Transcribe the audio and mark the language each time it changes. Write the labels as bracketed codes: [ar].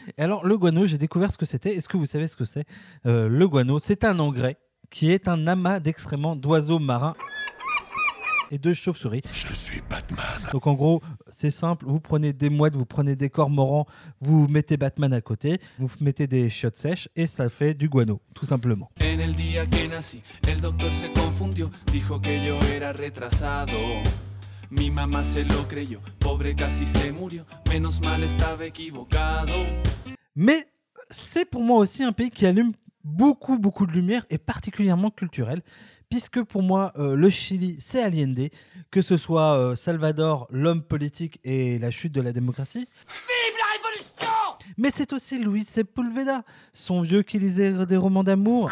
[fr] Et alors, le guano, j'ai découvert ce que c'était. Est-ce que vous savez ce que c'est? Le guano, c'est un engrais qui est un amas d'excréments d'oiseaux marins et de chauves-souris. Je suis Batman. Donc, en gros, c'est simple. Vous prenez des mouettes, vous prenez des cormorans, vous mettez Batman à côté, vous mettez des chiottes sèches et ça fait du guano, tout simplement. [es] En el día que nací, el doctor se confundió, dijo que yo era retrasado. Mi mamá se lo creyó, pobre casi se murió, menos mal estaba equivocado. [fr] Mais c'est pour moi aussi un pays qui allume beaucoup, beaucoup de lumière et particulièrement culturel, puisque pour moi, le Chili, c'est Allende, que ce soit Salvador, l'homme politique et la chute de la démocratie. Vive la révolution! Mais c'est aussi Luis Sepúlveda, son vieux qui lisait des romans d'amour.